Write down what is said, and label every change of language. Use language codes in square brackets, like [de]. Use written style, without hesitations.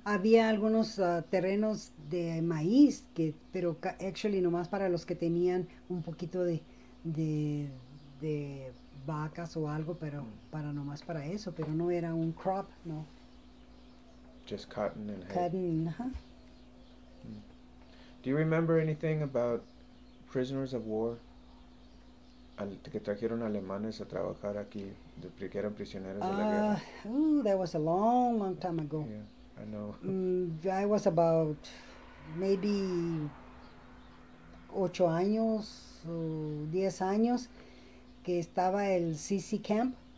[es] Había algunos terrenos de maíz, pero nomás para los que tenían un poquito de vacas o algo, pero para nomás para eso, pero no era un crop, no. [en] Just cotton and hay. Cotton, huh? Do you remember anything about prisoners of war? [es] que trajeron alemanes a trabajar aquí, que eran prisioneros de la guerra. [en] That was a long, long time ago. Yeah, I know. I was about maybe 8 [es] años o 10 años que estaba el [en] CC Camp